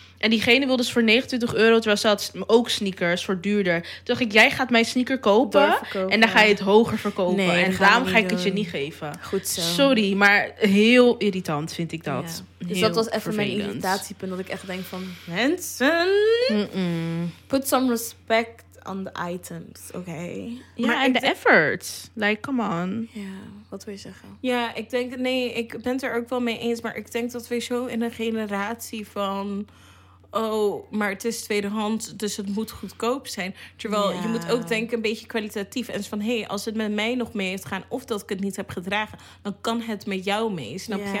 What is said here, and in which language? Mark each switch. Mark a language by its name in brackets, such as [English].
[Dutch] En diegene wilde ze voor €29, terwijl ze had ook sneakers voor duurder. Toen dacht ik, jij gaat mijn sneaker kopen... en dan ga je het hoger verkopen. Nee, en daarom ga ik het je niet geven. Goed zo. Sorry, maar heel irritant vind ik dat. Ja. Dus dat was even mijn irritatiepunt, dat ik echt denk van... Mensen, [English] put some respect on the items, [Dutch] oké? Ja, en de effort. [English] Like, come on. [Dutch] Ja, wat wil je zeggen? Ja, ik denk... Nee, ik ben het er ook wel mee eens. Maar ik denk dat we zo in een generatie van... Oh, maar het is tweedehand, dus het moet goedkoop zijn. Terwijl je moet ook denken een beetje kwalitatief. En van, hé, als het met mij nog mee heeft gaan... of dat ik het niet heb gedragen, dan kan het met jou mee, snap je?